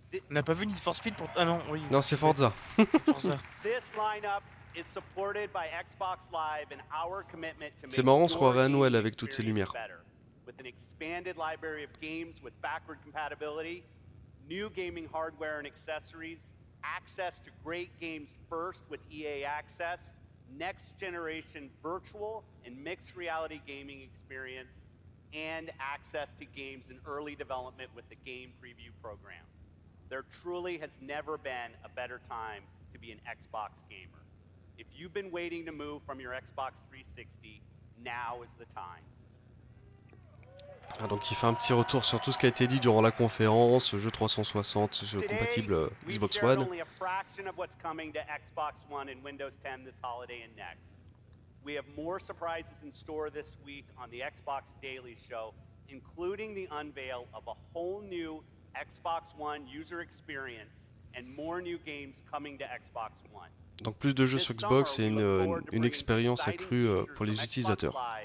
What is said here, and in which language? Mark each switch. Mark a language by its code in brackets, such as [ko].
[fr] On n'a pas vu Need for Speed pour... Ah non, oui. Non, c'est Forza. C'est Forza. C'est marrant, on se croirait à Noël avec toutes ces lumières. [en] With an expanded library of games with backward compatibility, new gaming hardware and accessories, access to great games first with EA Access, next generation virtual and mixed reality gaming experience and access to games in early development with the game preview program. There truly has never been a better time to be an Xbox gamer. If you've been waiting to move from your Xbox 360, now is the time. [fr] Ah, donc il fait un petit retour sur tout ce qui a été dit durant la conférence, jeu 360 compatible Xbox One. [en] Only a fraction of what's coming to Xbox One and Windows 10 this holiday and next. We have more surprises in store this week on the Xbox Daily Show, including the unveil of a whole new Xbox One user experience and more new games coming to Xbox One. [fr] Donc plus de jeux sur Xbox et une expérience accrue pour les utilisateurs.